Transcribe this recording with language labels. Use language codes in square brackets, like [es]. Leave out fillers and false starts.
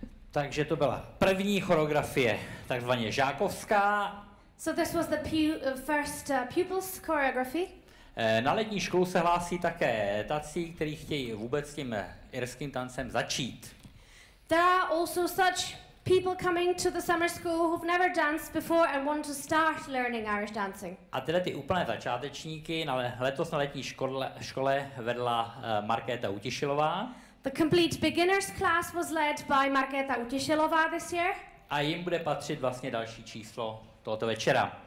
[cs] Takže to byla první choreografie, takzvaně žákovská. [en] So this was the first pupil's choreography. [cs] Na letní školu se hlásí také tací, kteří chtějí vůbec tím irským tancem začít. [en] There are also such people coming to the summer school who've never danced before and want to start learning Irish dancing. [cs] A tyhle ty úplné začátečníky na letos na letní škole vedla Markéta Utišilová. [en] The complete beginners class was led by Markéta Utišilová this year. [cs] A jim bude patřit vlastně další číslo tohoto večera.